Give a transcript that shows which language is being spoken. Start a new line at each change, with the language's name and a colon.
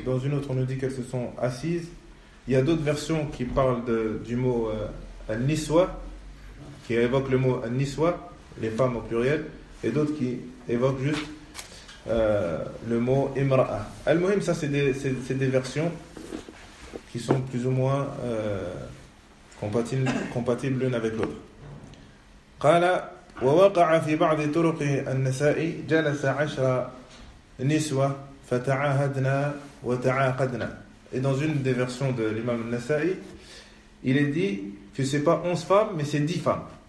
French: Dans une autre, on nous dit qu'elles se sont assises. Il y a d'autres versions qui parlent du mot al-niswa, qui évoquent le mot al-niswa, les femmes au pluriel, et d'autres qui évoquent juste le mot imra'a. Al-muhim, ça, c'est des versions qui sont plus ou moins compatibles l'une avec l'autre.
Arabic: Qala, ووقع في بعض طرق النساء جلس عشر نسوة فتعاهدنا وتعاقدنا.
French: Et dans une des versions de l'imam al-Nasa'i, il est dit que ce n'est pas 11 femmes, mais c'est 10 femmes.